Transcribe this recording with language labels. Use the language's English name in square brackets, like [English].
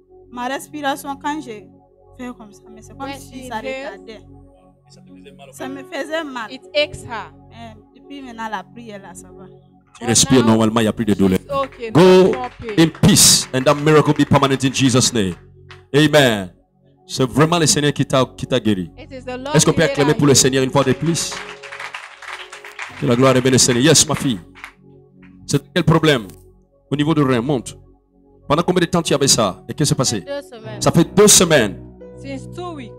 [French] Ma respiration, quand j'ai fait comme ça, mais c'est comme si ça retardait. Ça me faisait mal. [English] It aches her. [French] Depuis maintenant la prière là, ça va. Tu respires normalement, il n'y a plus de douleur. [English] Okay, go in peace and that miracle be permanent in Jesus' name. [French] Amen. C'est vraiment le Seigneur qui t'a guéri. Est-ce qu'on peut acclamer pour le Seigneur une fois de plus? Que la gloire est le Seigneur. Yes, ma fille. C'est quel problème? Au niveau du rein, monte. Pendant combien de temps tu avais ça? Et qu'est-ce qui s'est passé? Ça fait 2 semaines. [English] Since 2 weeks.